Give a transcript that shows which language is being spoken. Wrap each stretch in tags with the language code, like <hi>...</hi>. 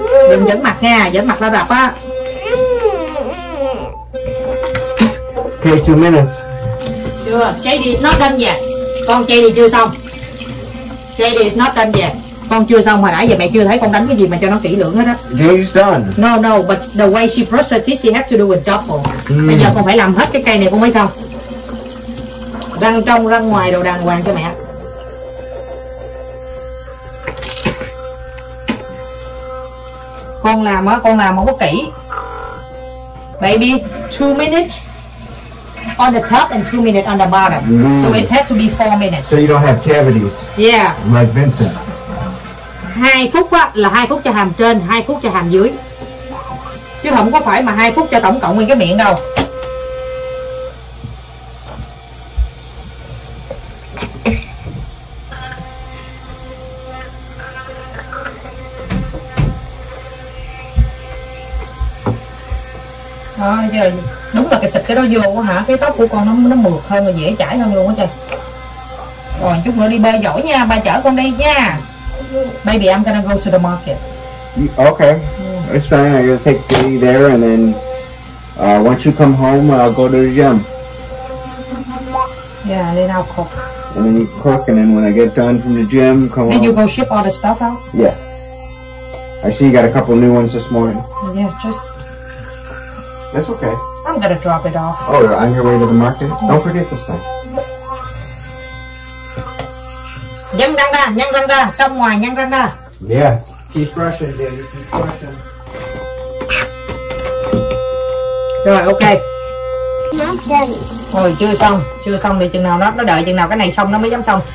<vi>Đừng dẫn mặt nha, dẫn mặt ra đập á.</vi> <en>Okay, 2 minutes. Chưa, JD is not done yet.</en> <vi>Con JD chưa xong.</vi> <en>JD is not done yet.</en> <vi>Con chưa xong, hồi nãy giờ mẹ chưa thấy con đánh cái gì mà cho nó kỹ lưỡng hết á.</vi> <en>JD's done. No, no, but the way she brushed her teeth, she had to do it double. Mm.</en> <vi>Bây giờ con phải làm hết cái cây này con mới xong. Răng trong, răng ngoài đồ đàng hoàng cho mẹ. Con làm không có kỹ.</vi> <en>Baby, 2 minutes. On the top and 2 minutes on the bottom. Mm. So it had to be 4 minutes. So you don't have cavities. Yeah. Like Vincent.</en> <vi>2 phút á, là 2 phút cho hàm trên, 2 phút cho hàm dưới. Chứ không có phải mà 2 phút cho tổng cộng nguyên cái miệng đâu. Thôi giờ đúng là cái xịt cái đó vô quá hả, cái tóc của con nó mượt hơn và dễ chảy hơn luôn á trời. Rồi chút nữa đi bơi giỏi nha, ba chở con đi nha.</vi> <en>Baby, I'm gonna go to the market. Okay, it's fine. I'm gonna take Daddy there and then once you come home, I'll go to the gym. Yeah, then I'll cook. And then you cook and then when I get done from the gym, come then home. Then you go ship all the stuff out? Yeah. I see you got a couple new ones this morning. Yeah, just... That's okay. I'm gonna drop it off. Oh, you're on your way to the market? Yeah. Don't forget this time.</en> <vi>Nhăn răng ra, nhăn răng ra, xong ngoài nhăn răng ra.</vi> <en>Yeah. Keep brushing, baby, keep brushing.</en> <vi>Rồi, ok.</vi> <en>Not</en> <vi>done. Rồi, chưa xong thì chừng nào nó đợi chừng nào cái này xong nó mới dám xong.</vi>